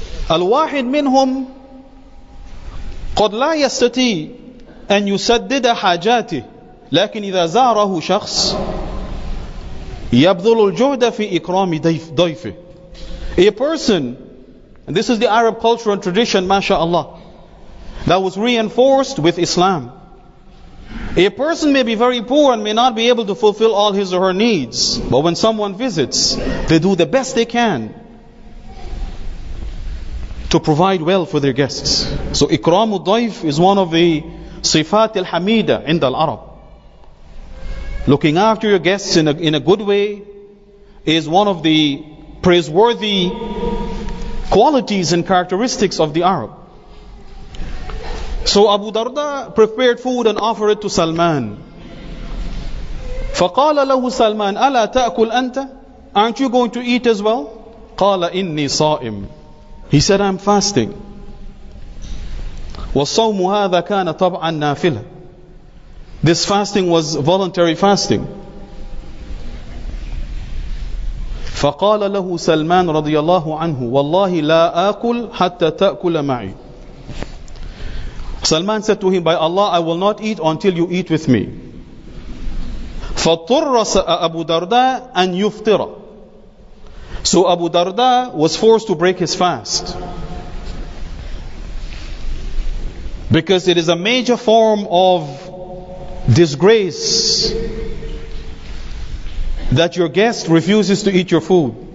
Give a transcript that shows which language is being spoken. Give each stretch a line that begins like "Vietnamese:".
Arabic: الواحد منهم قد لا يستطيع أن يسدد حاجاته، لكن إذا زاره شخص يبذل الجهد في إكرام ضيفه.
English: A person, and this is the Arab culture and tradition, mashallah, that was reinforced with Islam. A person may be very poor and may not be able to fulfill all his or her needs, but when someone visits, they do the best they can to provide well for their guests. So ikram al-daif is one of the sifat al-hamida in the Arab. Looking after your guests in a good way is one of the praiseworthy qualities and characteristics of the Arab. So Abu Darda prepared food and offered it to Salman.
Arabic: فقال له سلمان ألا تأكل أنت؟
English: Aren't you going to eat as well?
Arabic: قال إني صائم.
English: He said, I'm fasting.
Arabic: والصوم هذا كان طبعا نافلة.
English: This fasting was voluntary fasting.
Arabic: فقال له سلمان رضي الله عنه والله لا أكل حتى تأكل معي.
English: Salman said to him, by Allah, I will not eat until you eat with me.
Arabic: فَطُرَّ أَبُو دَرْدَى أَنْ يُفْطِرَ.
English: So Abu Darda was forced to break his fast, because it is a major form of disgrace that your guest refuses to eat your food.